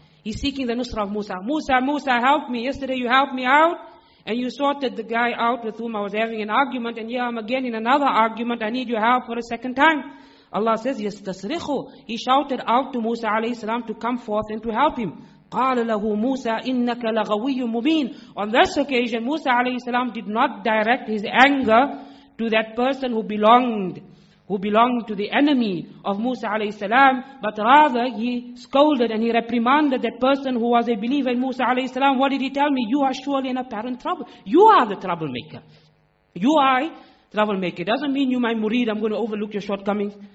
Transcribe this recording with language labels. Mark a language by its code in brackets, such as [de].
[en] He's seeking the nusra of Musa. Musa, Musa, help me. Yesterday you helped me out. And you sorted the guy out with whom I was having an argument, and here I'm again in another argument. I need your help for a second time. Allah says, "Yastasrikhu." He shouted out to Musa alayhi salam to come forth and to help him. [ar] قال له موسى إنك لغوي مبين. [en] On this occasion, Musa alayhi salam did not direct his anger to that person who belonged to the enemy of Musa alayhi salam, but rather he scolded and he reprimanded that person who was a believer in Musa alayhi salam. What did he tell me? You are surely in apparent trouble. You are the troublemaker. You are a troublemaker. It doesn't mean you my murid, I'm going to overlook your shortcomings.